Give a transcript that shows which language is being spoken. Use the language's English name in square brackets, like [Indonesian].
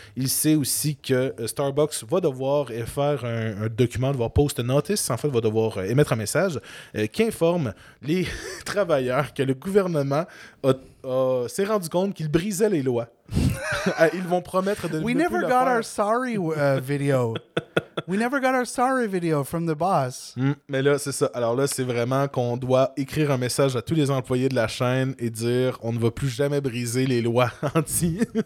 [French] Il sait aussi que Starbucks va devoir faire un document, devoir [English] post notice, [French] en fait va devoir émettre un message qui informe les travailleurs que le gouvernement s'est rendu compte qu'il brisait les lois. Ils vont promettre de... [English] We never got our sorry video. We never got our sorry video from the boss. [French] Mais là, c'est ça. Alors là, c'est vraiment qu'on doit écrire un message à tous les employés de la chaîne et dire on ne va plus jamais briser les lois anti...